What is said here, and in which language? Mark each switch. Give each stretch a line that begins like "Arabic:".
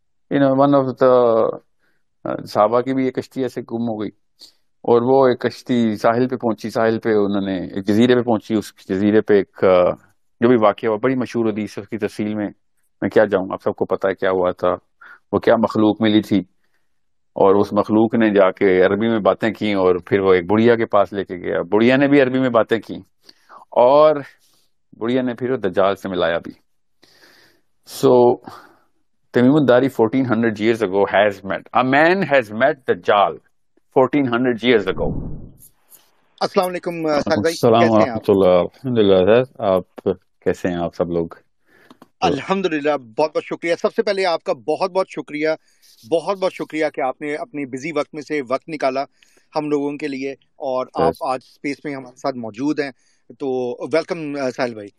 Hindi: You know one of the साहबा की भी ये कश्ती ऐसे गुम हो गई, और वो एक कश्ती साहिल पे पहुंची, साहिल पे उन्होंने एक जजीरे पे पहुंची, उस जजीरे पे एक जो भी वाक्य हुआ बड़ी मशहूर हदीस उसकी तफसील में मैं क्या जाऊँगा, आप सबको पता है क्या हुआ था, वो क्या मखलूक मिली थी और उस मखलूक ने जाके अरबी में बातें की और फिर वो एक बुढ़िया के पास लेके गया, बुढ़िया ने भी अरबी में बातें की और बुढ़िया ने फिर वो दज्जाल से मिलाया भी।
English: So तमीमुद्दारी 1400 years ago has met, a man has met Dajjal 1400 years ago.
Arabic: Assalamualaikum,
Hindi: Assalamualaikum, कैसे हैं आप? अल्हम्दुलिल्लाह सर, आप कैसे हैं आप सब लोग? अल्हम्दुलिल्लाह, बहुत बहुत शुक्रिया। सबसे पहले आपका बहुत बहुत शुक्रिया कि आपने अपने बिजी वक्त में से वक्त निकाला हम लोगों के लिए, और आप आज स्पेस में हमारे साथ मौजूद हैं, तो वेलकम साहिल भाई।